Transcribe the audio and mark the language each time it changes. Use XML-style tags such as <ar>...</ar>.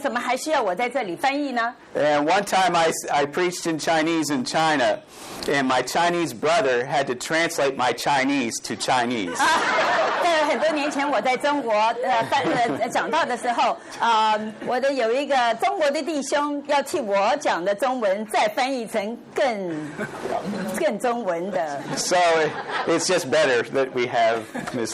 <en>And one time I preached in Chinese in China, and my Chinese brother had to translate my Chinese to Chinese.</en> <zh>很多年前我在中国长大的时候，我的有一个中国的弟兄要替我讲的中文再翻译成更中文的。</zh> <en>So it's just better that we have Ms.</en>